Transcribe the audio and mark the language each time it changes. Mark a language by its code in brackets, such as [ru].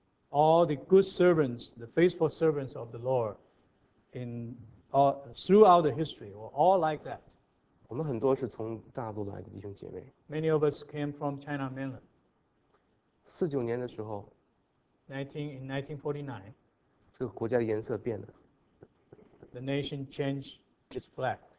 [en] All the good servants, the faithful servants of the Lord throughout the history were all like that. [zh] 我们很多是从大陆来的弟兄姐妹。 [en] Many of us came from China mainland. [zh] 49年的时候， [en] In 1949, [zh] 这个国家的颜色变了， [en] The nation changed its flag.